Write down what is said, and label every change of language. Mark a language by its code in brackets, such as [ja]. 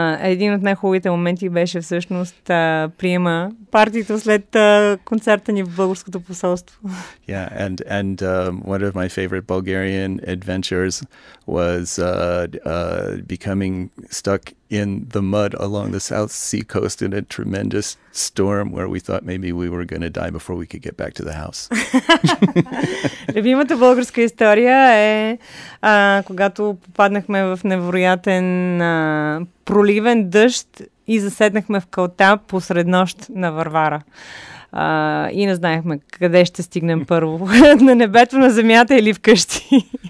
[bg] Един от най-хубавите моменти беше всъщност приема партито след концерта ни в българското посолство. [en] Yeah, and one of my favorite Bulgarian adventures was becoming stuck in the mud along the South Sea coast in a tremendous storm where we thought maybe we were going to die before we could get back to the house. [bg] Любимата българска история е когато попаднахме в невероятен проливен дъжд и заседнахме в калта посред нощ на Варвара. И не знаехме къде ще стигнем първо. На небето, на земята или вкъщи.